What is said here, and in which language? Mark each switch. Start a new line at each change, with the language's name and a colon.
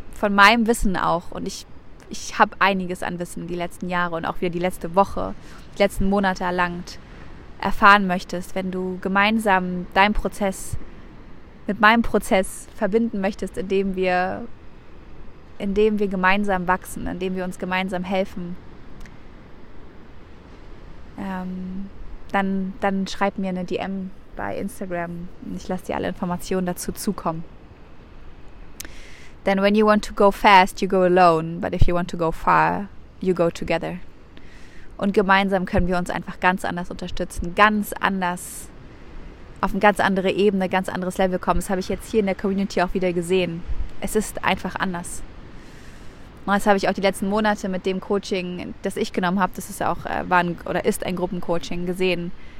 German: meinem Wissen auch, und ich habe einiges an Wissen die letzten Jahre und auch wieder die letzte Woche, die letzten Monate erlangt, erfahren möchtest, wenn du gemeinsam deinen Prozess mit meinem Prozess verbinden möchtest, indem wir gemeinsam wachsen, indem wir uns gemeinsam helfen, dann schreib mir eine DM bei Instagram und ich lasse dir alle Informationen dazu zukommen.
English: Then when you want to go fast, you go alone, but if you want to go far, you go together.
German: Und gemeinsam können wir uns einfach ganz anders unterstützen, ganz anders, auf eine ganz andere Ebene, ganz anderes Level kommen. Das habe ich jetzt hier in der Community auch wieder gesehen. Es ist einfach anders. Und das habe ich auch die letzten Monate mit dem Coaching, das ich genommen habe, das ist auch ist ein Gruppencoaching, gesehen.